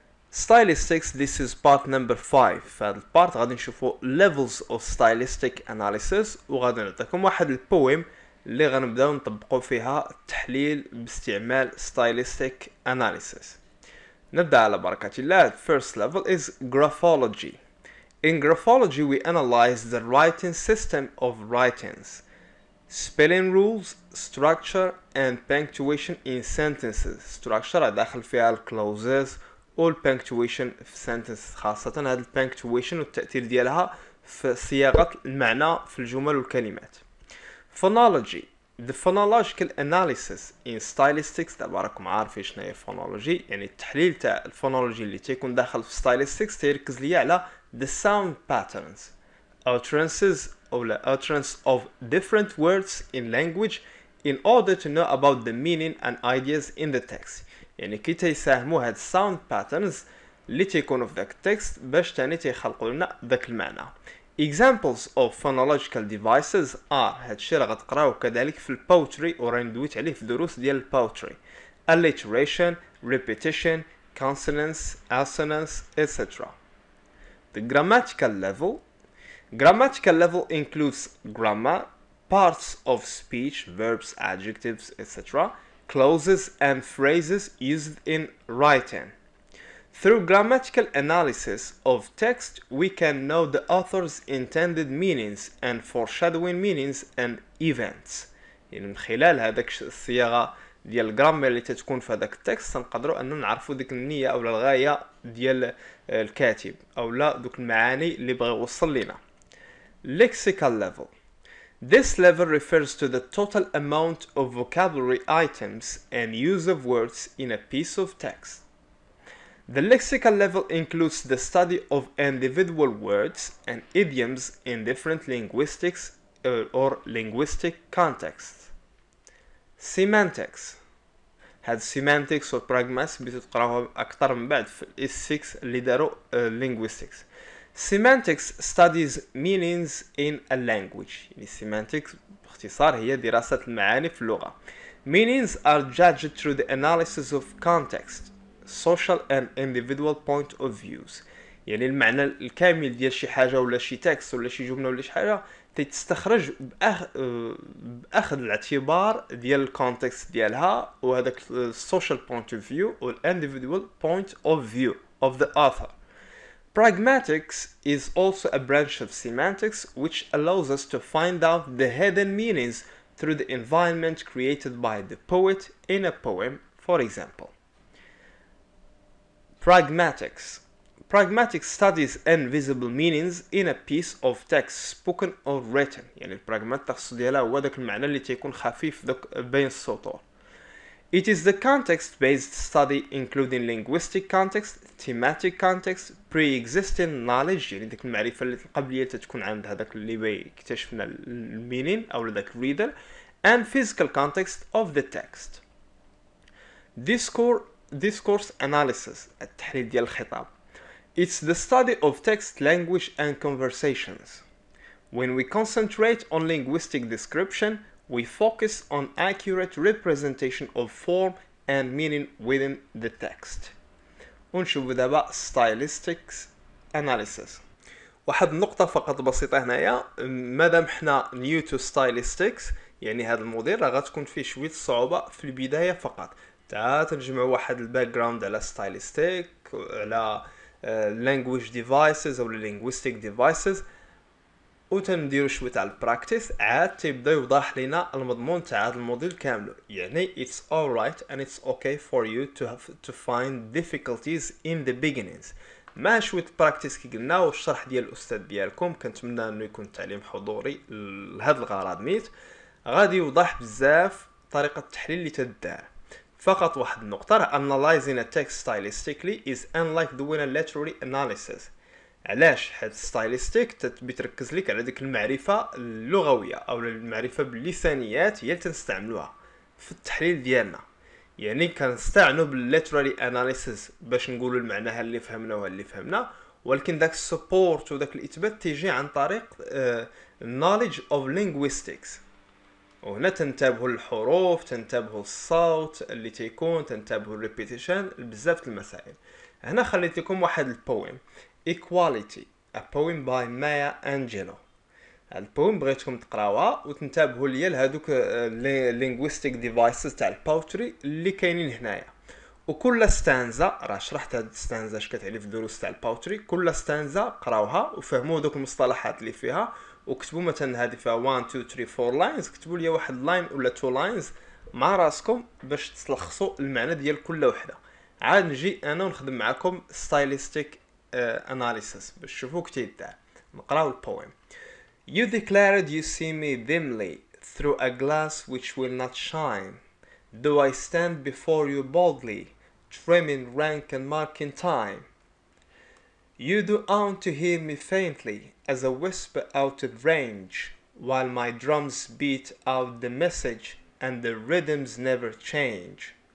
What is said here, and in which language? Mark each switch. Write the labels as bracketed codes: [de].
[en] Stylistics, this is part number 5. [ar] فهذا البارت غادي نشوفو [en] levels of stylistic analysis [ar] وغادي نعطيكم واحد البويم اللي غنبداو نطبقو فيها التحليل باستعمال stylistic analysis. نبدأ على بركة الله. [en] First level is graphology. In graphology we analyze the writing system of writings, spelling rules, structure and punctuation in sentences. [ar] Structure داخل فيها الclauses والpunctuation في sentences, خاصة هاد الpunctuation والتأثير ديالها في صياغة المعنى في الجمل والكلمات. [en] Phonology, the phonological analysis in stylistics. [ar] دابا راكم عارفين شنو هي [en] phonology, [ar] يعني التحليل تاع الفونولوجي اللي تيكون داخل في [en] stylistics [ar] تيركز ليا على [en] the sound patterns, utterances or the utterance of different words in language in order to know about the meaning and ideas in the text. [ar] يعني كي تيساهموا هاد sound patterns اللي تيكونوا في ذاك التكست باش تاني تيخلقوا لنا ذاك المعنى. [en] Examples of phonological devices are, [ar] هاد الشيء راه غتقراوه كذلك في البوتري وراني دويت عليه في دروس ديال البوتري, alliteration, repetition, consonants, assonance, etc. [en] The grammatical level. Grammatical level includes grammar, parts of speech, verbs, adjectives, etc., clauses and phrases used in writing. Through grammatical analysis of text, we can know the author's intended meanings and foreshadowing meanings and events. [ar] يعني من خلال هذاك الصياغة ديال الجرامر اللي تتكون في هذاك التكست نقدروا أن نعرفوا ديك النية أو الغاية ديال الكاتب أو لا ديك المعاني اللي بغي يوصل لنا. [en] Lexical level. This level refers to the total amount of vocabulary items and use of words in a piece of text. The lexical level includes the study of individual words and idioms in different linguistics or linguistic contexts. Semantics. [ar] Had semantics or pragmas بتقراها أكثر من بعد في S6 اللي داروا linguistics. [en] Semantics studies meanings in a language. [ar] يعني semantics باختصار هي دراسة المعاني في اللغة. [en] Meanings are judged through the analysis of context, social and individual point of views. [ar] يعني المعنى الكامل ديال شي حاجة ولا شي text ولا شي جملة ولا شي حاجة تستخرج بأخذ الاعتبار ديال context ديالها وهذاك [en] social point of view or individual point of view of the author. Pragmatics is also a branch of semantics which allows us to find out the hidden meanings through the environment created by the poet in a poem, for example. Pragmatics. Pragmatics studies invisible meanings in a piece of text, spoken or written. [ar] يعني البراغمات تقصد ديالها هو ذاك المعنى اللي تيكون خفيف بين السطور. [en] It is the context-based study including linguistic context, thematic context, pre-existing knowledge, [ar] يعني ذاك المعرفة القبلية تتكون عند هذاك اللي بيكتشفنا [en] meaning أو ذاك reader, and physical context of the text. [ar] Discourse analysis, التحليل ديال الخطاب. [en] It's the study of text, language and conversations. When we concentrate on linguistic description, we focus on accurate representation of form and meaning within the text. [ar] ونشوف دابا stylistics analysis. واحد النقطة فقط بسيطة هنايا, مادام حنا [en] new to stylistics, [ar] يعني هذا الموديل راه غتكون فيه شوية صعوبة في البداية فقط. تنجمع واحد الباك جراوند على stylistic, على language devices أو linguistic devices, وتنديرو شوية على البراكتيس عاد تبدا يوضح لنا المضمون تاع هذا الموديل كامل. [en] يعني it's alright and it's okay for you to find difficulties in the beginnings. [ar] مع شوية براكتيس كي قلنا والشرح ديال الأستاذ ديالكم, كنتمنى انه يكون تعليم حضوري لهذا الغرض ميت, غادي يوضح بزاف طريقة التحليل اللي تدار. فقط واحد النقطة, [en] analyzing a text stylistically is unlike doing a literary analysis. [ar] علاش؟ حيت ستايلستيك تتركز لك على ديك المعرفة اللغوية او المعرفة باللسانيات هي اللي تنستعملوها في التحليل ديالنا. يعني كنستعنوا بالليترالي اناليسيس باش نقولوا المعنى اللي فهمنا واللي فهمنا, ولكن داك السبورت وداك الاثبات تيجي عن طريق [en] knowledge of linguistics. [ar] وهنا تنتبهوا للحروف، تنتبهوا الصوت اللي تيكون، تنتبهوا للريبيتيشن، بزاف المسائل. هنا خليت لكم واحد البويم Equality, a poem by Maya Angelou. البويم بغيتكم تقراوها وتنتبهوا ليا لهذوك linguistic devices تاع البوتري اللي كاينين هنايا. وكل ستانزا راه شرحت هاد ستانزا اش كتعني في الدروس تاع البوتري، كل ستانزا قراوها وفهموا دوك المصطلحات اللي فيها، وكتبوا مثلا هذه فيها 1 2 3 4 lines، كتبوا لي واحد لاين ولا 2 lines مع راسكم باش تلخصوا المعنى ديال كل وحده. عاد نجي انا ونخدم معكم stylistic analysis باش تشوفوا كتيدا. نقراو البويم. [en] You declared you see me dimly through a glass which will not shine. Do I stand before you boldly, trimming rank and marking time? You do own to hear me faintly as a whisper out of range, while my drums beat out the message and the rhythms never change.